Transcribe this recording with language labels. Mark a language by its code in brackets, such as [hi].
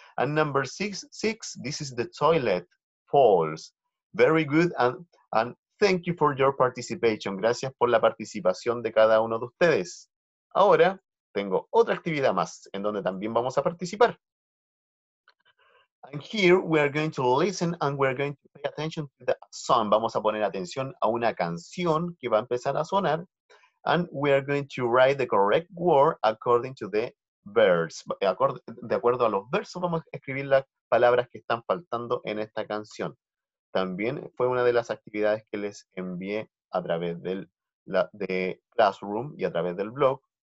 [en] And number 6, this is the toilet. False. Very good. And thank you for your participation. [es] Gracias por la participación de cada uno de ustedes. Ahora, tengo otra actividad más en donde también vamos a participar. [en] And here, we are going to listen and we are going to pay attention to the song. [es] Vamos a poner atención a una canción que va a empezar a sonar. [en] And we are going to write the correct word according to the verse. [es] De acuerdo a los versos, vamos a escribir las palabras que están faltando en esta canción. También fue una de las actividades que les envié a través de Classroom y a través del blog.